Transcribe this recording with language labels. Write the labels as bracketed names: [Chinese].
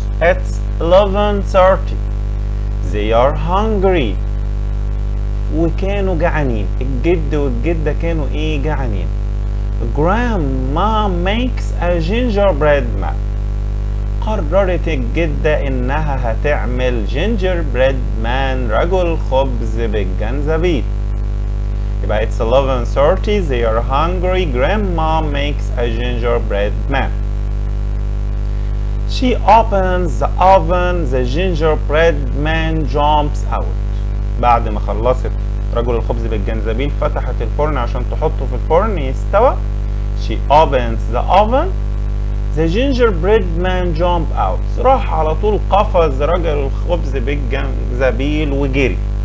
[English] it's 11:30، they are hungry، [Arabic] وكانوا جعانين. الجد والجدة كانوا ايه؟ جعانين. [English] grandma makes a gingerbread man، [Arabic] قررت الجدة انها هتعمل gingerbread man، رجل خبز بالجنزبيل. [English] يبقى it's 11:30، they are hungry، grandma makes a gingerbread man. she opens the oven، the gingerbread man jumps out. [Arabic] بعد ما خلصت رجل الخبز بالجنزبيل فتحت الفرن عشان تحطه في الفرن يستوى. [English] she opens the oven، the gingerbread man jump out، [Arabic] راح على طول قفز رجل الخبز بالجنزبيل وجري.